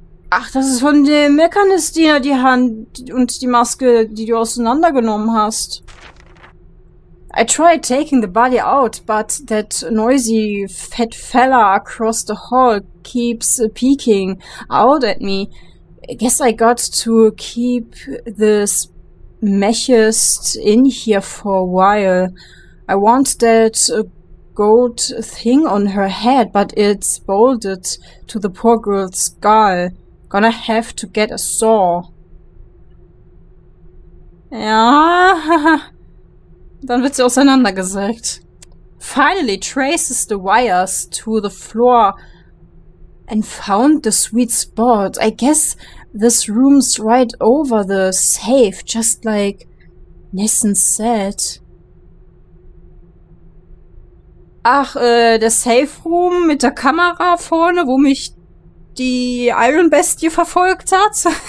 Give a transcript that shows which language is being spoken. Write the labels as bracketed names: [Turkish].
[German] Ach, das ist von dem Mechanistiner die Hand und die Maske, die du auseinandergenommen hast. [English] I tried taking the body out, but that noisy fat fella across the hall keeps peeking out at me. I guess I got to keep this mechist in here for a while. I want that gold thing on her head, but it's bolted to the poor girl's skull. Gonna have to get a saw. [German] Yeah. Dann wird sie auseinandergesägt. [English] Finally traces the wires to the floor and found the sweet spot. I guess this room's right over the safe, just like Nissen said. [German] Ach, der Safe Room mit der Kamera vorne, wo mich die Iron Bestie verfolgt hat.